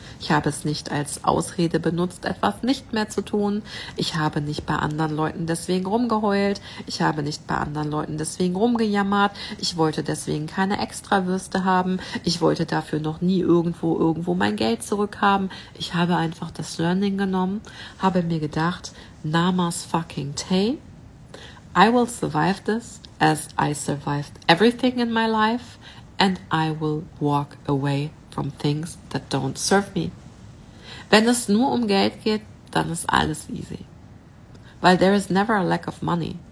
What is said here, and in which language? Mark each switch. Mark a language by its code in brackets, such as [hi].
[de] Ich habe es nicht als Ausrede benutzt, etwas nicht mehr zu tun. Ich habe nicht bei anderen Leuten deswegen rumgeheult. Ich habe nicht bei anderen Leuten deswegen rumgejammert. Ich wollte deswegen keine Extrawürste haben. Ich wollte dafür noch nie irgendwo mein Geld zurückhaben. Ich habe einfach das Learning genommen, habe mir gedacht, Namas fucking Tay, [en] I will survive this as I survived everything in my life and I will walk away from things that don't serve me. [de] Wenn es nur um Geld geht, dann ist alles easy. [en] Weil there is never a lack of money.